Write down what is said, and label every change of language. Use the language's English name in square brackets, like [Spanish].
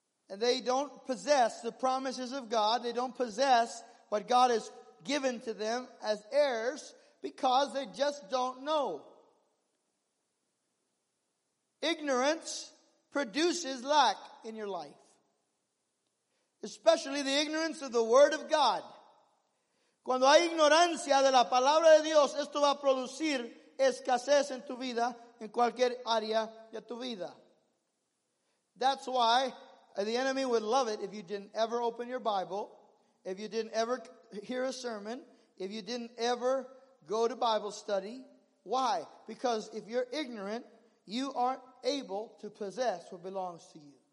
[English] And they don't possess the promises of God. They don't possess what God has given to them as heirs because they just don't know. Ignorance produces lack in your life. Especially the ignorance of the Word of God. [Spanish] Cuando hay ignorancia de la palabra de Dios, esto va a producir escasez en tu vida, en cualquier área de tu vida. [English] That's why the enemy would love it if you didn't ever open your Bible, if you didn't ever hear a sermon, if you didn't ever go to Bible study. Why? Because if you're ignorant, you aren't able to possess what belongs to you.